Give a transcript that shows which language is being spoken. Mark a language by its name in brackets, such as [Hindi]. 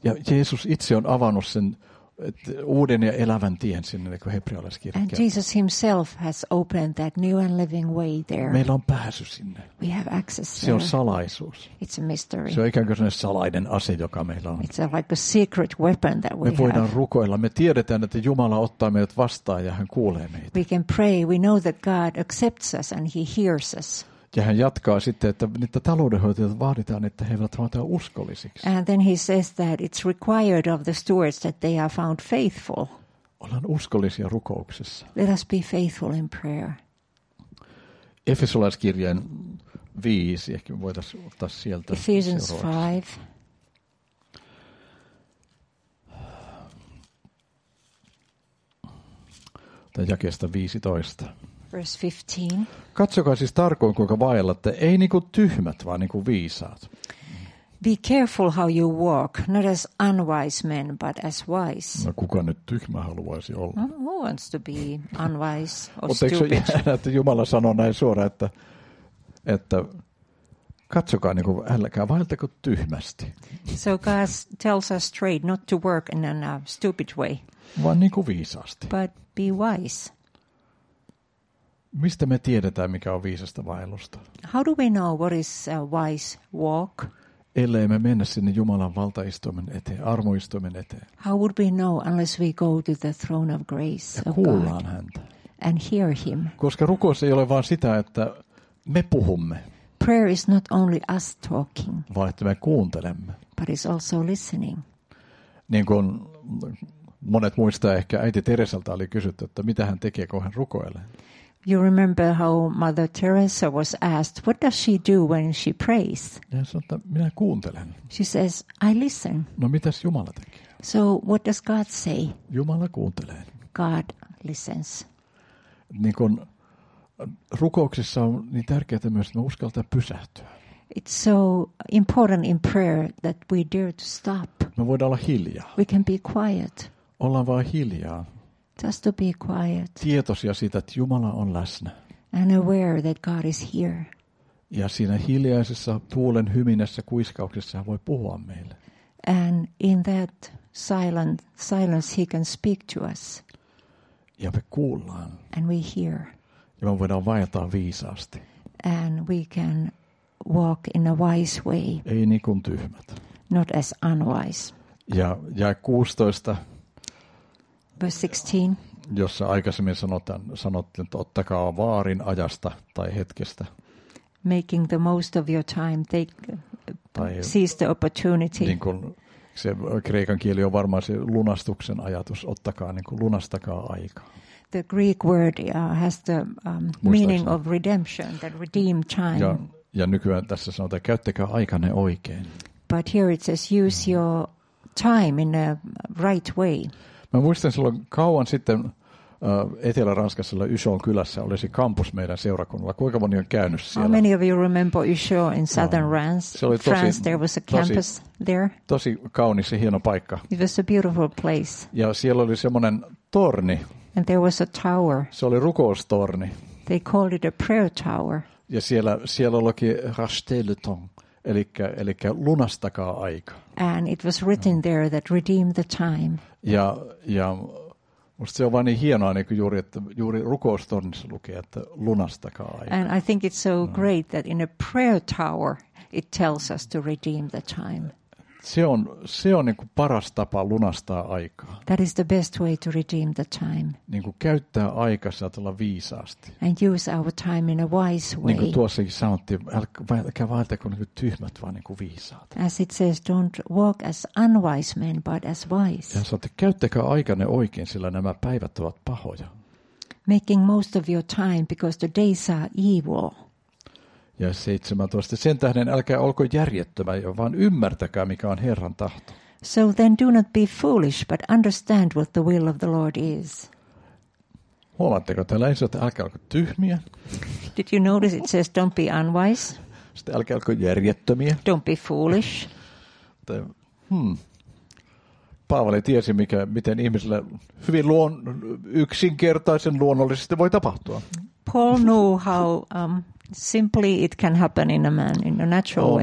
[Finnish] Ja Jeesus itse on avannut sen uuden ja elävän tien sinne, niin kuin hebrealaiskirja. [English] And Jesus himself has opened that new and living way there. [Finnish] Meillä on pääsy sinne. [English] We have access there. [Finnish] Se on salaisuus. [English] It's a mystery. [Finnish] Se on ikään kuin salainen ase, joka meillä on. [English] It's a, like a secret weapon that we have. [Finnish] Me voidaan [English] have. [Finnish] Rukoilla. Me tiedetään, että Jumala ottaa meidät vastaan ja hän kuulee meitä. [English] We can pray. We know that God accepts us and he hears us. [Finnish] Ja hän jatkaa sitten, että niitä taloudenhoitajat vaaditaan, että he ovat vaatia uskollisiksi. [English] And then he says that it's required of the stewards that they are found faithful. [Finnish] Ollaan uskollisia rukouksessa. [English] Let us be faithful in prayer. [Finnish] Efesolaiskirjeen 5, ehkä voitaisiin ottaa sieltä. [English] Ephesians 5. [Finnish] Tai jakeesta 15. [English] Verse 15. [Finnish] Katsokaa siis tarkoin, kuinka vaellatte, ei niin kuin tyhmät, vaan niin kuin viisaat. [English] Be careful how you walk, not as unwise men, but as wise. [Finnish] No kuka nyt tyhmä haluaisi olla? [English] Who wants to be unwise or stupid? [Finnish] Mutta eikö jäädä, että Jumala sanoo näin suoraan, että katsokaa, niin kuin, älkää vaeltako tyhmästi. [English] So God tells us straight not to work in a stupid way. [Finnish] Vaan niin kuin viisaasti. [English] But be wise. [Finnish] Mistä me tiedetään, mikä on viisasta vaellusta? [English] How do we know what is a wise walk? [Finnish] Ellei me mennä sinne Jumalan valtaistuimen eteen, armoistuimen eteen. [English] How would we know unless we go to the throne of grace of God? [Finnish] Ja kuullaan häntä. [English] And hear him. [Finnish] Koska rukous ei ole vain sitä, että me puhumme. [English] Prayer is not only us talking. [Finnish] Vaan että me kuuntelemme. [English] But it's also listening. [Finnish] Niin kuin monet muistaa ehkä äiti Teresalta oli kysytty, että mitä hän tekee, kun hän rukoilee. [English] You remember how Mother Teresa was asked, what does she do when she prays? [Finnish] Hän sanoi, että minä kuuntelen. [English] She says, I listen. [Finnish] No mitäs Jumala tekee? [English] So what does God say? [Finnish] Jumala kuuntelee. [English] God listens. [Finnish] Niin kun rukouksessa on niin tärkeää myös, että me uskaltaa pysähtyä. [English] It's so important in prayer that we dare to stop. [Finnish] Me voidaan olla hiljaa. [English] We can be quiet. [Finnish] Ollaan vaan hiljaa. [English] Just to be quiet. [Finnish] Tietoisia siitä, että Jumala on läsnä. [English] And aware that God is here. [Finnish] Ja siinä hiljaisessa tuulen hyminässä kuiskauksessa hän voi puhua meille. [English] And in that silent silence he can speak to us. [Finnish] Ja me kuullaan. [English] And we hear. [Finnish] Ja me voidaan vaeta viisaasti. [English] And we can walk in a wise way. [Finnish] Ei niin kuin tyhmät. [English] Not as unwise. [Finnish] Ja 16. [English] Verse 16. [Finnish] Jossa aikaisemmin sanottiin, että ottakaa vaarin ajasta tai hetkestä. [English] Making the most of your time, seize the opportunity. [Finnish] Niin kuin se kreikan kieli on varmaan se lunastuksen ajatus, ottakaa, niin kuin lunastakaa aikaa. [English] The Greek word has the meaning of redemption, that redeem time. [Finnish] Ja nykyään tässä sanotaan, että käyttäkää aikanne oikein. [English] But here it says use your time in a right way. [Finnish] Mä muistan silloin kauan sitten Etelä-Ranskassa Ushon kylässä olisi kampus meidän seurakunnalla. Kuinka moni on käynyt siellä? [English] How many of you remember Ushon in southern France? There was a campus there. [Finnish] Tosi kaunis ja hieno paikka. [English] It was a beautiful place. [Finnish] Ja siellä oli semmoinen torni. [English] And there was a tower. [Finnish] Se oli rukoustorni. [English] They called it a prayer tower. [Finnish] Ja siellä olikin [French] rachetez le temps. [Finnish] Elikkä lunastakaa aika. [English] And it was written there that redeem the time. [Finnish] Ja musta se on vaan niin hienoa, niin kuin juuri rukoustornissa lukee, että lunastakaa aika. [English] And I think it's so great that in a prayer tower it tells us to redeem the time. [Finnish] Se on niin kuin paras tapa lunastaa aikaa. [English] That is the best way to redeem the time. [Finnish] Niin kuin käyttää aikaa tulla viisaasti. [English] And use our time in a wise way. [Finnish] Niin kuin tuossakin sanottiin, älkää vaeltako niin kuin tyhmät, vaan niin kuin viisaat. [English] As it says, don't walk as unwise men, but as wise. [Finnish] Ja sanotte, käyttäkää aikanne oikein, sillä nämä päivät ovat pahoja. [English] Making most of your time, because the days are evil. [Finnish] Ja 17. Sen tähden älkää olko järjettömä, vaan ymmärtäkää, mikä on Herran tahto. [English] So then do not be foolish, but understand what the will of the Lord is. [Finnish] Huomaatteko te läisi, että älkää olko tyhmiä? [English] Did you notice it says don't be unwise? [Finnish] Sitten älkää olko järjettömiä? [English] Don't be foolish. [Finnish] Paavali tiesi, miten ihmiselle hyvin yksinkertaisen luonnollisesti voi tapahtua. [English] Paul knew how simply it can happen in a man, in a natural way.